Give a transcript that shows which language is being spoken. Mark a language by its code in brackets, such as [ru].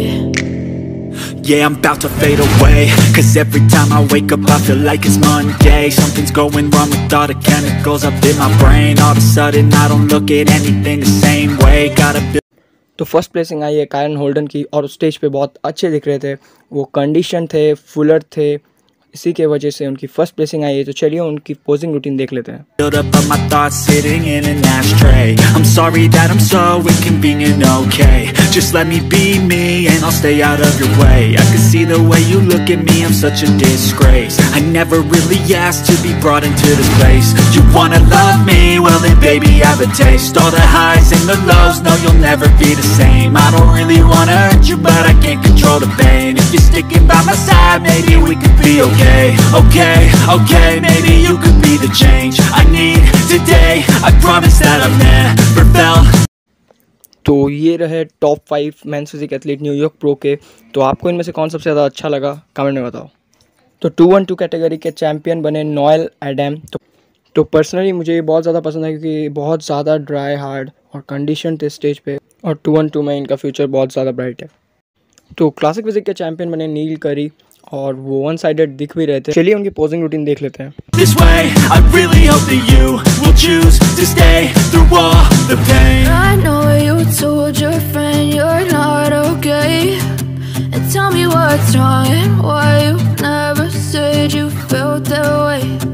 [en] Yeah, I'm about to fade away, 'cause every time I wake up I feel like it's Monday. Something's going wrong with all the chemicals up in my brain. All of a sudden I don't look at anything the same way. [hi] तो first placing आई है कायन holding की, और stage पे बहुत अच्छे दिख रहे थे, वो कंडीशन थे, फुलर थे, इसी के वजह से उनकी फर्स्ट प्लेसिंग आई है। तो चलिए उनकी पोजिंग रूटीन देख लेते हैं। [en] Just let me be me and I'll stay out of your way. I can see the way you look at me, I'm such a disgrace. I never really asked to be brought into this place. You wanna love me? Well then baby I have a taste. All the highs and the lows, no you'll never be the same. I don't really wanna hurt you, but I can't control the pain. If you're sticking by my side, maybe we could be okay. Okay, okay, maybe you could be the change I need today. I promise that I've never felt. [hi] तो ये रहे top 5 men's physique athlete New York pro के। तो आपको इनमें से कौन सबसे ज़्यादा अच्छा लगा कमेंट में बताओ। तो 212 कैटेगरी के चैंपियन बने नॉयल एडम। तो पर्सनली मुझे ये बहुत ज़्यादा पसंद है, क्योंकि बहुत ज़्यादा ड्राई हार्ड और कंडीशन थे स्टेज पे, और 212 में इनका फ्यूचर बहुत ज़्यादा ब्राइट है। तो क्लासिक फिजिक के चैंपियन बने नील करी, और वो वन साइडेड दिख भी रहे थे। चलिए उनकी पोजिंग रूटीन देख लेते हैं। [en] This way, I really hope that you will choose to stay through all the pain. I know you told your friend you're not okay. And tell me what's wrong and why you never said you felt that way.